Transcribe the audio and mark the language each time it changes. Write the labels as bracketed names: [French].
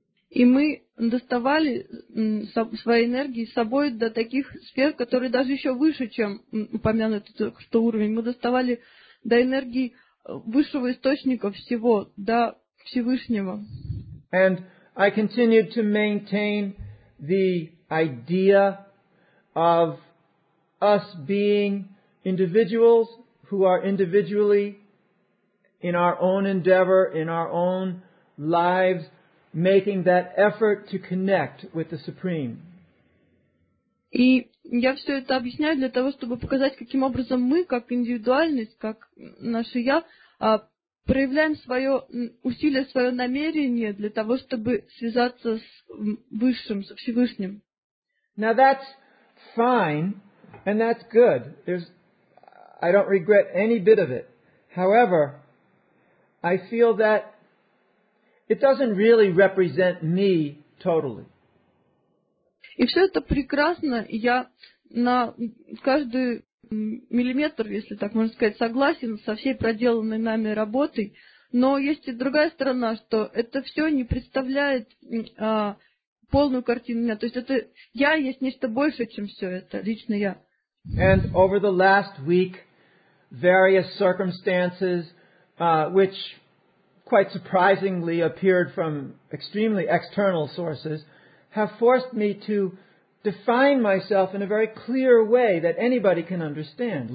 [Russian] И мы доставали своей энергии с собой до таких сфер, которые даже еще выше, чем упомянутый только что уровень. Мы доставали до энергии высшего источника всего, до Всевышнего. [English] And I continued to maintain the idea of us being individuals who are individually in our own endeavor, in our own lives, making that effort to connect with the Supreme. [Russian] И я все это объясняю для того, чтобы показать, каким образом мы, как индивидуальность, как наше я, проявляем свое усилие, свое намерение для того, чтобы связаться с Высшим, со Всевышним. [English] Now that's fine. And that's good. I don't regret any bit of it. However, I feel that it doesn't really represent me totally. [Russian] И все это прекрасно. Я на каждый миллиметр, если так можно сказать, согласен со всей проделанной нами работой. Но есть и другая сторона, что это все не представляет полную картину меня. То есть это я есть нечто большее, чем все это, лично я. [English] And over the last week, various circumstances, which quite surprisingly appeared from extremely external sources, have forced me to define myself in a very clear way that anybody can understand.